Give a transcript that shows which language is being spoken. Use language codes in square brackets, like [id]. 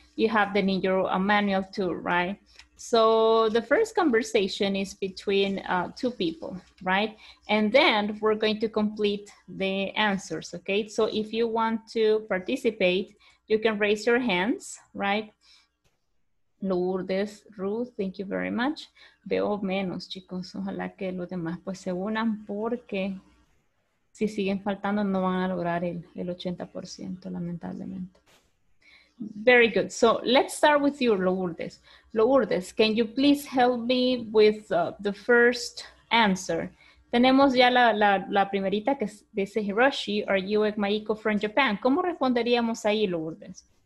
[en] You have them in your manual too, right? So the first conversation is between two people, right? And then we're going to complete the answers, okay? So if you want to participate, you can raise your hands, right? Lourdes, Ruth, thank you very much. [es] Veo menos, chicos. Ojalá que los demás pues se unan porque si siguen faltando no van a lograr el 80%, lamentablemente. [en] Very good. So let's start with you, Lourdes. Lourdes, can you please help me with the first answer? [es] Tenemos ya la primerita que dice Hiroshi, [en] are you with Maiko from Japan? [es] ¿Cómo responderíamos ahí, Lourdes?